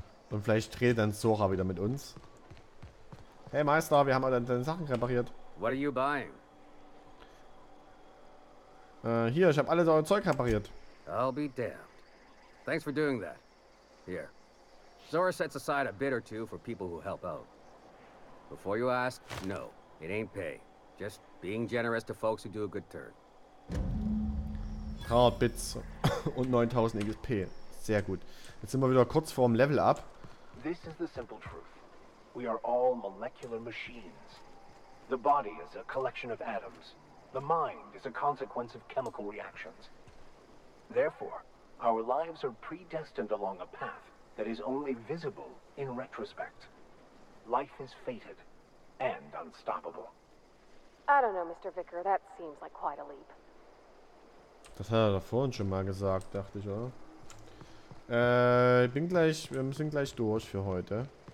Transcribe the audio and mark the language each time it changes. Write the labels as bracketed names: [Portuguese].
[German] Und vielleicht dreht dann Sora wieder mit uns. Hey Meister, wir haben alle deine Sachen repariert. [English] What are you buying? [German] Hier, ich habe alles euer Zeug repariert. [English] I'll be damned. Thanks for doing that. Here. Zora sets aside a bit or two for people who help out. Before you ask, no, it ain't pay. Just being generous to folks who do a good turn. [German] 300 Bits und 9000 XP. Sehr gut. Jetzt sind wir wieder kurz vorm Level up. [English] This is the simple truth. We are all molecular machines. The body is a collection of atoms. The mind is a consequence of chemical reactions. Therefore, our lives are predestined along a path that is only visible in retrospect. Life is fated and unstoppable. I don't know, Mr. Vicker, that seems like quite a leap. [German] Das hat er da vorhin schon mal gesagt, dachte ich, oder? Wir sind gleich durch für heute.